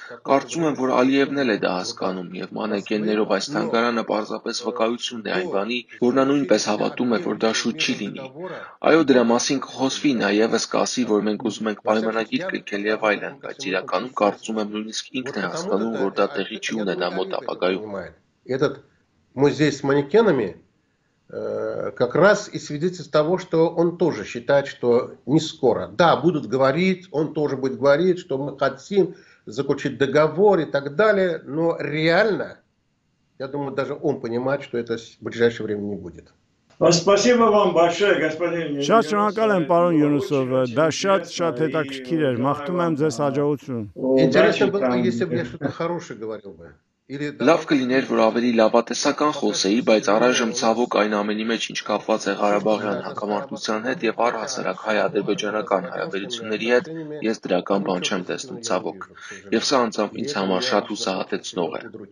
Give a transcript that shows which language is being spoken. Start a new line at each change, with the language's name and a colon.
Armenian: կարծում եմ, որ Ալիևն էլ է դա հասկանում, և մանեկեններով այս թանգարանը պարզապես վկայություն է այն բանի, որ նա նույնպես հավատում է, որ դա շուտ չի լինի, այո, դրա մասին կխոսվի, նաևս կասի, որ մենք ուզում ենք պայմանագիր կնքել և այլն, բայց իրականում կարծում եմ նույնիսկ ինքն է հասկանում, որ դա տեղի չի ունենա մոտ ապագայում։
Russian: Как раз и свидетельство того, что он тоже считает, что не скоро. Да, будут говорить, он тоже будет говорить, что мы хотим заключить договор и так далее, но реально, я думаю, даже он понимает, что это в ближайшее время не будет. Спасибо вам большое, господин.
Armenian: Շատ շնորհակալ եմ, պարոն Յունուսով, դա շատ հետաքրքիր էր, մաղթում եմ ձեզ հաջողություն։
Russian: Ինտերեսը было бы, если бы я что-то хорошее говорил бы.
Armenian: Լավ կլիներ, որ ավելի լավատեսական խոսեի, բայց առայժմ ցավոք այն ամենի մեջ, ինչ կապված է Ղարաբաղյան հակամարտության հետ և առհասարակ հայ-ադրբեջանական հարաբերությունների հետ, ես դրական բան չեմ տեսնում ցավոք, և սա անձամբ ինձ համար շատ հուսահատեցնող է։